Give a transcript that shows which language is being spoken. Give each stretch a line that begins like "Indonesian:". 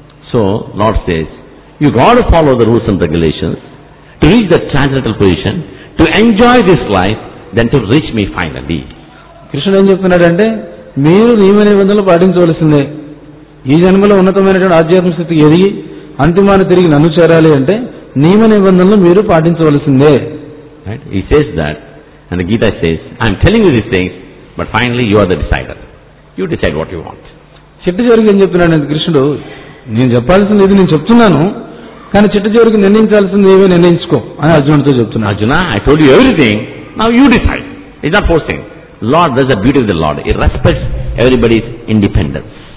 English: So Lord says you got follow the rules and regulations to reach the transcendental position, to enjoy this life, then to reach me finally.
Telugu: కృష్ణుడు ఏం చెప్తున్నాడంటే మీరు నియమ నిబంధనలు పాటించవలసిందే, ఈ జన్మలో ఉన్నతమైనటువంటి ఆధ్యాత్మిక స్థితికి ఎదిగి అంతిమాన తిరిగి నన్ను చేరాలి అంటే నియమ నిబంధనలు మీరు పాటించవలసిందే.
English: He says that, and the Gita says, I am telling you these things, but finally you are the decider. You decide what you want.
Telugu: చిట్ట చివరికి ఏం చెప్తున్నాడు అంటే కృష్ణుడు, నేను చెప్పాల్సింది ఇది నేను చెప్తున్నాను, కానీ చిట్ట చివరికి నిర్ణయించాల్సింది ఏమీ నిర్ణయించుకో అని అర్జునుడితో చెప్తున్నాను.
English: Arjuna, I told you everything, now you decide. It's not forcing. Lord, that's the beauty of the lord, he respects everybody's independence.